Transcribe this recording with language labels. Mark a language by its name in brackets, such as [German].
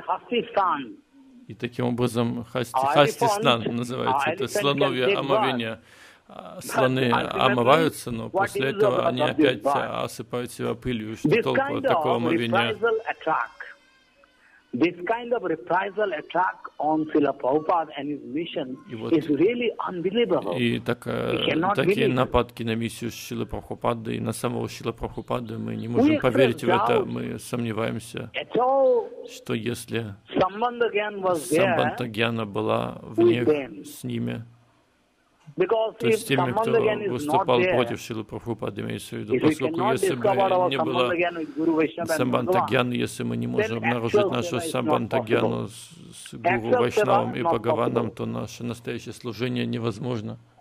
[Russian] И таким образом хастистан называется, это слоновье омовение. Слоны омываются, но после этого они опять осыпают себя пылью. Что толку от такого омовения? [English] This kind of reprisal attack on Srila Prabhupada and his mission [Russian] вот, [English] is really unbelievable. [Russian] И так, такие [English] believe. [Russian] Нападки на миссию Шрилы Прабхупады и на самого Шрилы Прабхупады мы не можем [English] we [Russian] поверить в это, мы сомневаемся, что если Самбандхагьяна была в них, с ними, то с теми, кто выступал против Шрилы Прабхупады, имеется в виду, поскольку если бы не было Самбандхагьяны, если мы не можем обнаружить нашу Самбандхагьяну с Гуру Вайшнавом и Бхагаваном, то наше настоящее служение невозможно.